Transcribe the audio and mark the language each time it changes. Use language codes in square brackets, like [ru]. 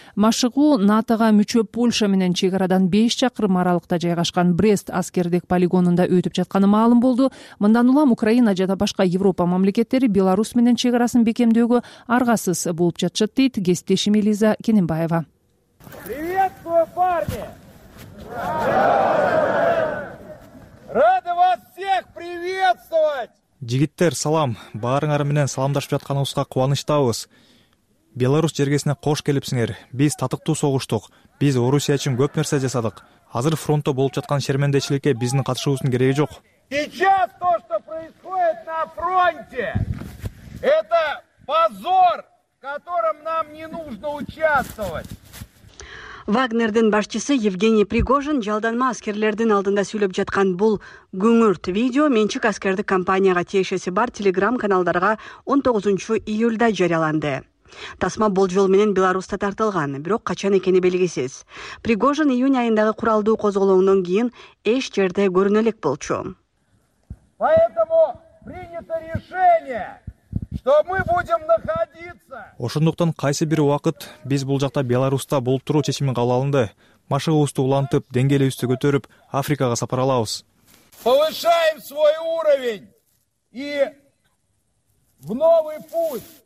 [ky] Машыгуу НАТОга мүчө Польша менен чек арадан 5 чакырым аралыкта жайгашкан Брест аскердик полигонунда өтүп жатканы маалым болду. Мындан улам Украина жана башка Европа мамлекеттери Беларусь менен чек арасын бекемдөөгө аргасыз болуп жатышат, дейт кесиптешим Элиза Кененбаева. [ru] Привет, парни! Рады вас всех приветствовать! [ky] Жигиттер, салам. Баарыңар менен саламдашып жатканыбызга кубанычтабыз. Беларусь жергесине кош келипсиңер. Биз татыктуу согуштук. Биз Орусия үчүн көп нерсе жасадык. Азыр фронтто болуп жаткан шермендечиликке биздин катышуубуздун кереги жок. Сейчас то, что происходит на фронте, это позор, в котором нам не нужно участвовать. Вагнердин башчысы Евгений Пригожин жалданма аскерлердин алдында сүйлөп жаткан бул күңүрт видео менчик аскердик компанияга тиешеси бар телеграм каналдарга 19 июлда жарыяланды. Тасма болжол менен Беларусьта тартылган, бирок качан экени белгисиз. Пригожин июнь айындагы куралдуу козголоңдон кийин эч жерде көрүнө элек болчу. [ru] Поэтому принято решение, что мы будем находиться. [ky] Ошондуктан кайсы бир убакыт биз бул жакта Беларусьта болуп туруу чечими кабыл алынды. Машыгыбызды улантып, деңгээлибизди көтөрүп, Африкага сапар алабыз. [ru] Повышаем свой уровень и в новый путь.